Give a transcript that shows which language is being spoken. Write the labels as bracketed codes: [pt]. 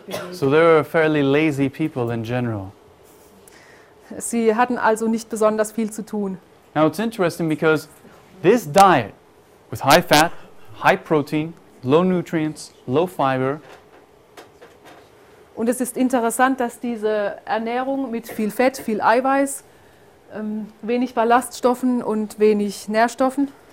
[en] So they were fairly lazy people in general. [de] Sie hatten also nicht besonders viel zu tun. [en] Now it's interesting because this diet with high fat, high protein, low nutrients, low fiber. [de] Und es ist interessant, dass diese Ernährung mit viel Fett, viel Eiweiß, wenig Ballaststoffen und wenig Nährstoffen